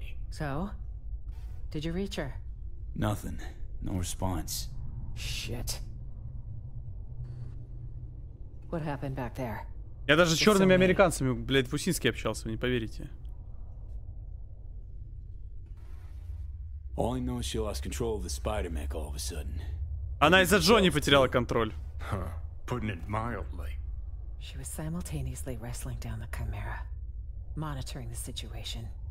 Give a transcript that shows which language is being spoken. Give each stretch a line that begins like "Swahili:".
English: So, did you reach her? Nothing. No response. Shit. What happened back there?
Russian: Я даже с черными американцами, блядь, в усинске общался, вы не поверите.
English: All I know is she lost control of the Spider-Mech all of a sudden.
Russian: Она из-за Джонни потеряла контроль.
English: Huh. Putting it mildly. She was simultaneously wrestling down the Chimera, monitoring the situation.